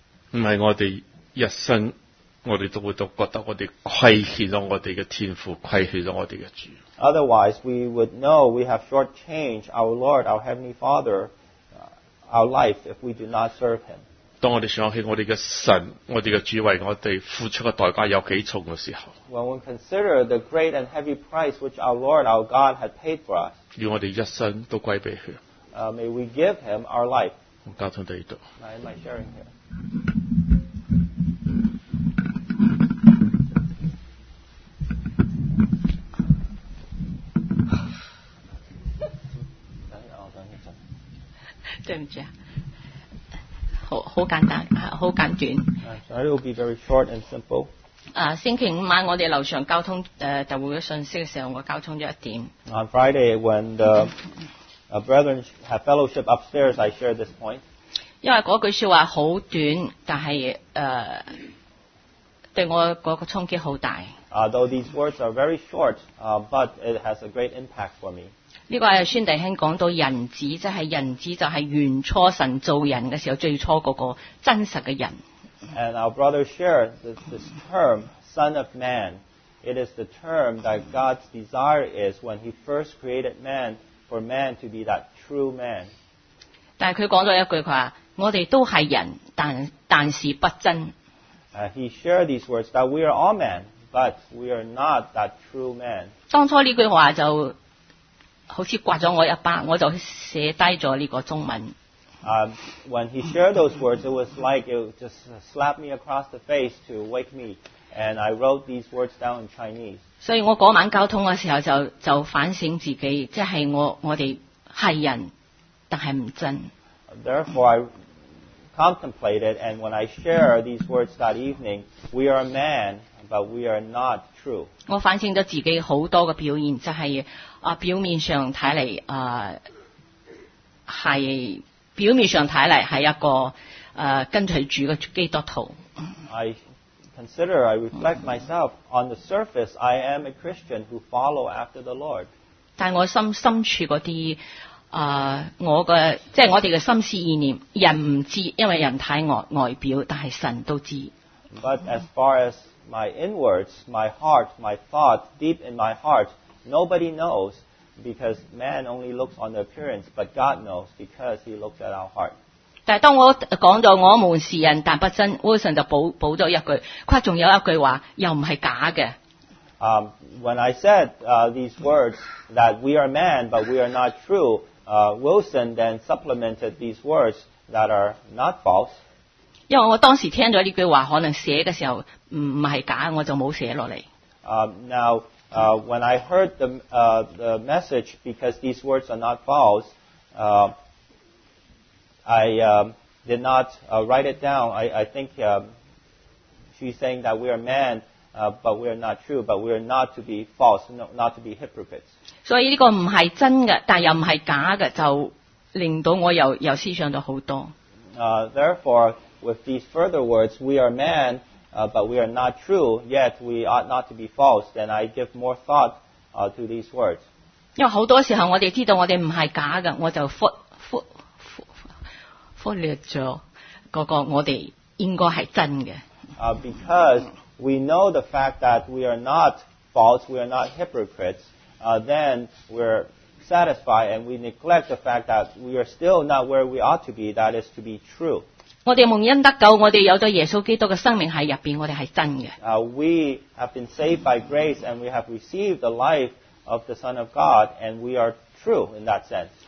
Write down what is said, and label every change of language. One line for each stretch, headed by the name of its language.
Chinese: 不是我们一生我们都会觉得我们亏欠了我们的天父亏欠了我们的主。
English: Otherwise, we would know we have shortchanged our Lord, our Heavenly Father,our life if we do not serve him.
Chinese: 当我们想起我们的神我们的主为我们付出的代价有几重的时候
English: When we consider the great and heavy price which our Lord, our God had paid for us,
Chinese: 要我们一生都归给他
English: May we give him our life.
Chinese: 我交通到这
English: 里 I am sharing here.
Chinese: 对不起、啊、好简单好简短
English: So it will be very short and simple
Chinese: 星期五晚我们楼上交通特会的信息的时候我交通了一点
English: On Friday when the brethren have fellowship upstairs I shared this point
Chinese: 因为那句说话很短但是对我那个冲击很大
English: Though these words are very short but it has a great impact for me
Chinese: 这个是孙弟兄讲到人子即是人子就是原初神造人的时候最初那个真实的人。
English: And our brother shared this term, son of man, It is the term that God's desire is when he first created man, for man to be that true man.
Chinese: 但他说了一句，他说我们都是人， 但是不真。
English: He shared these words that we are all men, but we are not that true man.
Chinese: 当初这句话就好像刮了我一巴，我就写低了这个中文。
English: When he shared those words, it was like it just slapped me across the face to wake me. And I wrote these words down in Chinese.
Chinese: 所以我那晚交通的时候 就反省自己，即是 我们是人但是不真。
English: Therefore, I contemplated, and when I share these words that evening, we are man, but we are not true.
Chinese: 我反省了自己很多的表现，就是表面上看来是表面上看来是一个跟随主的基督徒。
English: I consider, I reflect myself, on the surface, I am a Christian who follow after the Lord.
Chinese: 但我深处那些我的即是我们的心思意念，人不知道，因为人看外表，但是神都知道。
English: But as far as my inwards, my heart, my thought, deep in my heart, nobody knows. Because man only looks on the appearance, but God knows because he looks at our heart.
Chinese: 但当我讲到我们是人但不真， Wilson 就补了一句，他还有一句话又不是假的。
English: When I said these words that we are man but we are not true, Wilson then supplemented these words that are not false.
Chinese: 因为我当时听了这句话可能写的时候不是假，我就没写下来。
English: When I heard the message, because these words are not false, I did not write it down. I think she's saying that we are men, but we are not true, but we are not to be false, not to be hypocrites.
Chinese: 所以这个不是真的，但又不是假的，就令到我又思想了很多。
English: Therefore, with these further words, we are men, but we are not true, yet we ought not to be false, then I give more thought to these words.
Chinese: 因为很多时候我们知道我们不是假的，我就忽略了那个我们应该是真的。
English: Because we know the fact that we are not false, we are not hypocrites, then we're satisfied and we neglect the fact that we are still not where we ought to be, that is to be true.
Chinese: 我们蒙恩得救，我们有了耶稣基督的生命在里面，我们是真的。
English: We have been saved by grace and we have received the life of the Son of God and we are true in that sense.